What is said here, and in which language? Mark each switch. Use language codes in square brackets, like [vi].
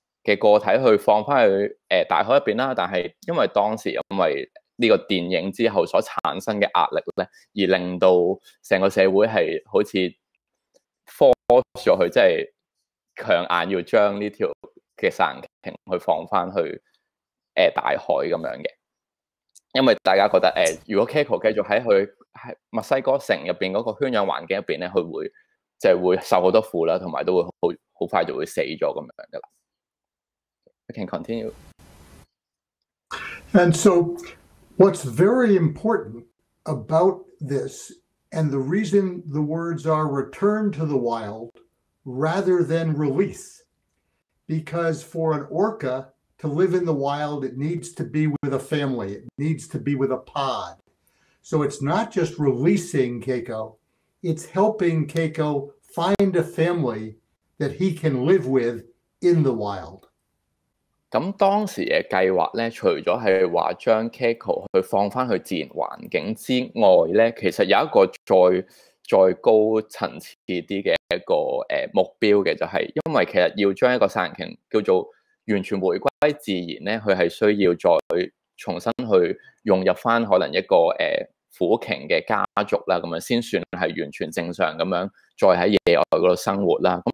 [yue] 的個體去放回去大海入邊，但是因為當時因為呢個電影之後所產生的壓力咧，而令到整個社會係好似 force 咗佢，即係強硬要將呢條嘅殺人鯨去放回去大海咁樣嘅。因為大家覺得如果 Kako 繼續在佢喺墨西哥城入邊嗰個圈養環境入邊咧，佢會受很多苦啦，同埋都會好快就會死咗咁樣噶啦。 [en] I can continue. And so what's very important about this and the reason the words are return to the wild rather than release, because for an orca to live in the wild, it needs to be with a family. It needs to be with a pod. So it's not just releasing Kako, it's helping Kako find a family that he can live with in the wild. [yue] 咁當時嘅計劃咧，除咗係話將 Kako 去放翻去自然環境之外咧，其實有一個再高層次啲嘅一個目標嘅，就係因為其實要將一個殺人鯨叫做完全回歸自然咧，佢係需要再重新去融入翻可能一個虎鯨嘅家族啦，咁樣先算係完全正常咁樣再喺野外嗰度生活啦。